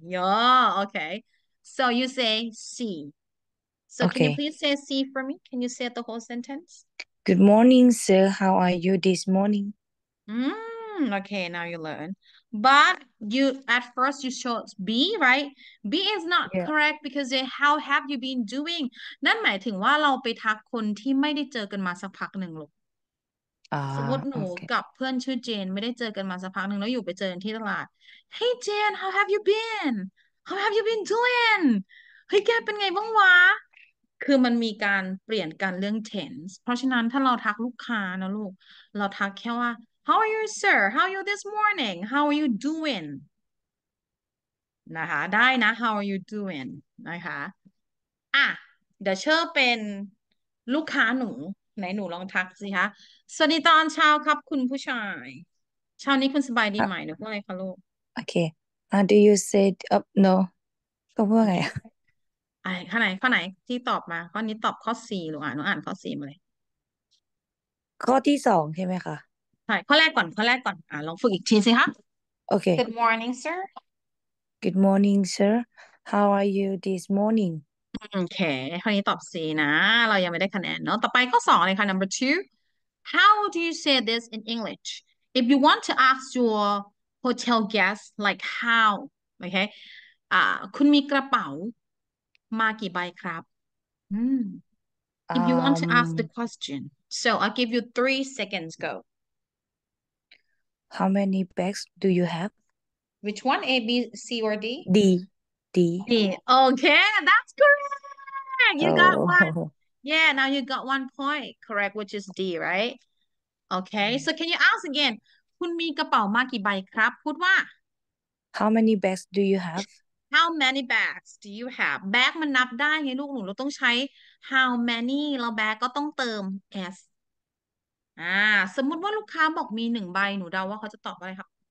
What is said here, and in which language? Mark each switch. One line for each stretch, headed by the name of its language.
English: Yeah, okay. So you say C. So can you please say C for me? Can you say the whole sentence? Good morning, sir. How are you this morning? Okay, now you learn. But you at first you chose B, right? B is not Yeah. correct because how have you been doing?
Thai: นั่นหมายถึงว่าเราไปทักคนที่ไม่ได้เจอกันมาสักพักหนึ่งหรอกสมมติหนู โอเค กับเพื่อนชื่อเจนไม่ได้เจอกันมาสักพักหนึ่งแล้วอยู่ไปเจอกันที่ตลาด
English: Hey Jane, how have you been? How have you been doing?
Thai: เฮ้ยแกเป็นไงบ้างวะคือมันมีการเปลี่ยนกันเรื่อง tense เพราะฉะนั้นถ้าเราทักลูกค้านะลูกเราทักแค่ว่า
English: How are you sir? How are you this morning? How are you doing?
Thai: นะคะได้นะ
English: How are you doing?
Thai: นะคะอ่ะเดี๋ยวเชอร์เป็นลูกค้าหนูไหนหนูลองทักสิคะสวัสดีตอนเช้าครับคุณผู้ชายเช้านี้คุณสบายดีไหมนึกว่าอะไรคะลูก โอเคdo you say up no ก็ว่า โอ ไง เค อ่ะ ไอ้ข้อไหนข้อไหนที่ตอบมาข้อนี้ตอบข้อสี่หรือหนูอ่านข้อสี่มาเลย ข้อที่สองใช่ไหมคะ ใช่ข้อแรกก่อนข้อแรกก่อนลองฝึกอีกทีสิคะ โอเค
English: Good morning sir Good morning sir How are you this morning
Thai: โอเคข้อนี้ตอบสี่นะเรายังไม่ได้คะแนนเนาะต่อไปข้อสองเลยค่ะ
English: number two How do you say this in English if you want to ask your hotel guests like how okay
Thai: คุณมีกระเป๋ามากี่ใบครับ
English: If you want to ask the question so I'll give you 3 seconds go How many bags do you have? Which one A B C or D D. D. Okay, that's correct. You got one. Oh. Yeah, now you got 1 point correct, which is D, right? Okay, so can you ask again?
Thai: คุณมีกระเป๋ามากี่ใบครับพูดว่า
English: How many bags do you have? how many bags do you have
Thai: bag มันนับได้ไงลูกหนูเราต้องใช้ how many เราแบกก็ต้องเติม s สมมุติว่าลูกค้าบอกมีหนึ่งใบหนูเดาว่าเขาจะตอบอะไรครับ